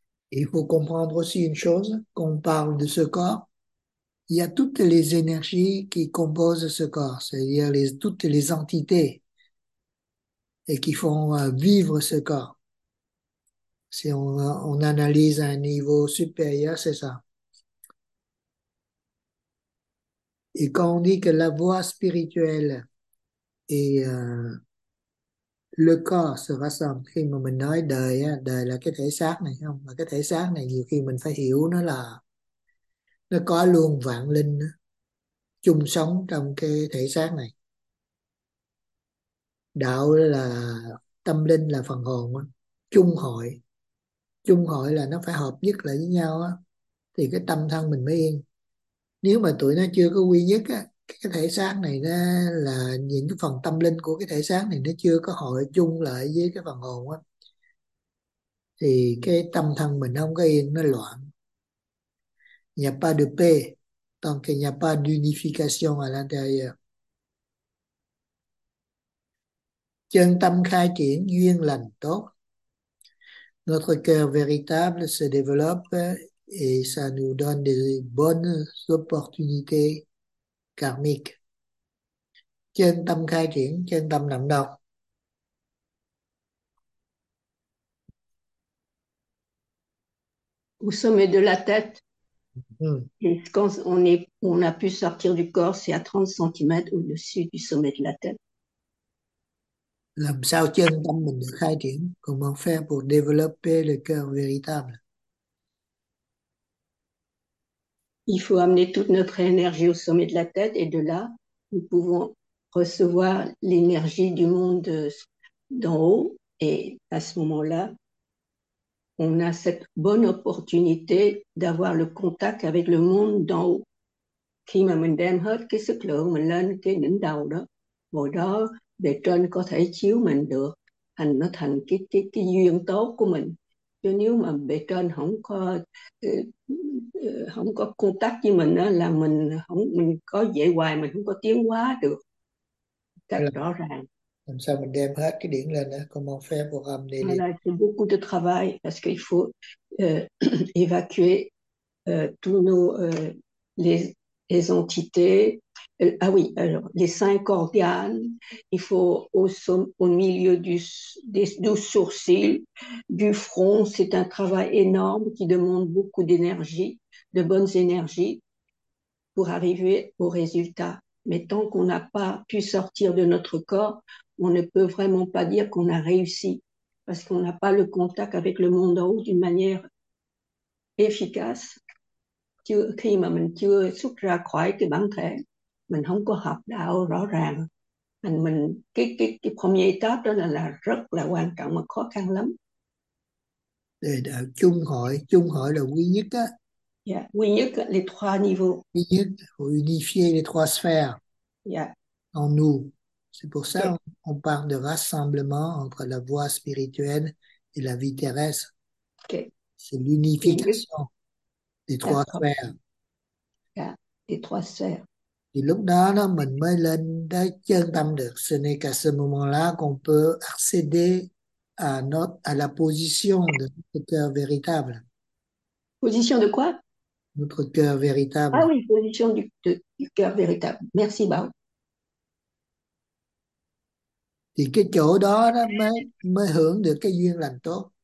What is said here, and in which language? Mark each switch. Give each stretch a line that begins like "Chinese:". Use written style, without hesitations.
French: Il faut comprendre aussi une chose, qu'on parle de ce corps, il y a toutes les énergies qui composent ce corps, c'est-à-dire toutes les entités et qui font vivre ce corps. Si on analyse à un niveau supérieur, c'est ça. Et quand on dit que la voie spirituelle et le corps se rassemble,
Vietnamese: khi mà mình nói đời á, đời là cái thể xác này, không, mà cái thể xác này nhiều khi mình phải hiểu nó là nó có luôn vạn linh đó, chung sống trong cái thể xác này. Đạo là tâm linh, là phần hồn đó. Chung hội là nó phải hợp nhất lại với nhau á, thì cái tâm thân mình mới yên. Nếu mà tụi nó chưa có quy nhất á, cái thể xác này nó là những cái phần tâm linh của cái thể xác này nó chưa có hội chung lại với cái phần hồn á, thì cái tâm thân mình không có yên, nó loạn.
French: N'y a pas de paix tant qu'il n'y a pas d'unification à l'intérieur.
Vietnamese: Chân tâm khai triển duyên lành tốt.
French: Notre cœur véritable se développe et ça nous donne des bonnes opportunités karmique.
Vietnamese: Chân tâm khai triển, chân tâm động động.
French: Au sommet de la tête,
English: Ok,
French: et quand on a pu sortir du corps, c'est à 30 cm au-dessus du sommet de la tête.
Vietnamese: làm sao chân tâm mình được khai triển?
French: Comment faire pour développer le cœur véritable? Il faut amener toute notre énergie au sommet de la tête, et de là, nous pouvons recevoir l'énergie du monde d'en haut Et à ce moment-là, on a cette bonne opportunité d'avoir le contact avec le monde d'en haut.
Vietnamese: Khi mà mình đem hết cái sức lượng mình lên cái đỉnh đầu đó, hồi đó bề trên có thể chiếu mình được, thành nó thành cái duyên tốt của mình. Chứ nếu mà bề trên không có contact với mình đó, là mình có dễ hoài mình không có tiến hóa được cách rõ ràng. Làm sao mình đem hết cái điển lên đó,
French: comment faire pour amener
Vietnamese: Là
French: les. c'est beaucoup de travail parce qu'il faut évacuer tous nos les entités. Ah oui, alors les cinq organes, il faut au milieu du sourcil, du front, c'est un travail énorme qui demande beaucoup d'énergie, de bonnes énergies pour arriver au résultat. Mais tant qu'on n'a pas pu sortir de notre corps, on ne peut vraiment pas dire qu'on a réussi parce qu'on n'a pas le contact avec le monde en haut d'une manière efficace.
Vietnamese: Khi mà mình chưa xuất ra khỏi cái bản thể, mình không có học đạo rõ ràng, thành mình cái
French: premier étape
Vietnamese: đó là rất là quan trọng và khó khăn lắm. Để đạo chung hội là quy nhất á, Yeah, quy nhất là
French: les trois niveaux.
Vietnamese: quy nhất
French: unifier les trois sphères
English: Yeah.
French: en nous. C'est pour ça qu'on parle de rassemblement entre la voie spirituelle et la vie terrestre. C'est
English: Okay.
French: l'unification des trois D'accord. sphères. Yeah. Les trois sphères.
Vietnamese: Et lúc đó, đó mình mới lên tới chân tâm được.
French: Ce n'est qu'à ce moment-là qu'on peut accéder à la position de notre cœur véritable. Position de quoi? Notre cœur Ah véritable. oui, position du cœur véritable. Merci, Bao.
Vietnamese: Thì cái chỗ đó, đó mới mới hưởng được cái duyên lành tốt.